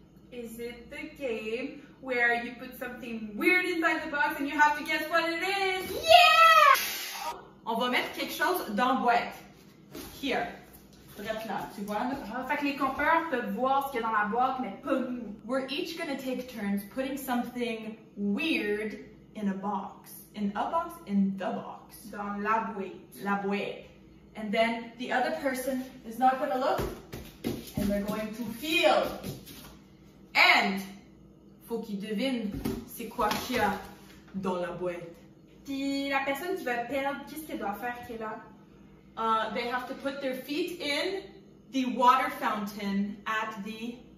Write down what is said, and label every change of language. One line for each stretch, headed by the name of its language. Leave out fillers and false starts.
English: Is it the game where you put something weird inside the box and you have to guess what it is? Yeah!
French: On va mettre quelque chose dans la boîte.
English: Here.
French: Regarde là, tu vois? Fait que les compères peuvent voir ce qu'il y a dans la boîte, mais pas nous.
English: We're each gonna take turns putting something weird in a box. In a box? In the box.
French: Dans la boîte. La boîte.
English: And then the other person is not gonna look and they're going to feel.
French: And, faut qu'ils devinent c'est quoi qu'il y a dans la boîte. Puis la personne qui va perdre, qu'est-ce qu'elle doit faire qu'elle a?
English: They have to put their feet in the water fountain at the...